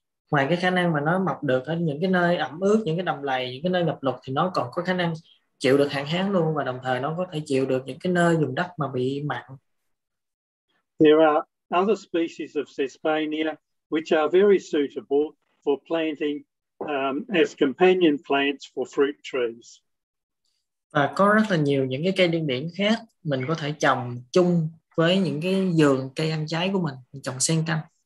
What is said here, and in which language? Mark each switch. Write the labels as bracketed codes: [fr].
[vi] Ngoài cái khả năng mà nó mọc được ở những cái nơi ẩm ướt, những cái đầm lầy, những cái nơi ngập lụt thì nó còn có khả năng chịu được hạn hán luôn, và đồng thời nó có thể chịu được những cái nơi vùng đất mà bị mặn. [en] There are other species of Sesbania which are very suitable for planting as companion plants for fruit trees. [vi] Và có rất là nhiều những cái cây điên điển khác mình có thể trồng chung với những cái vườn cây ăn trái của mình, trồng xen canh.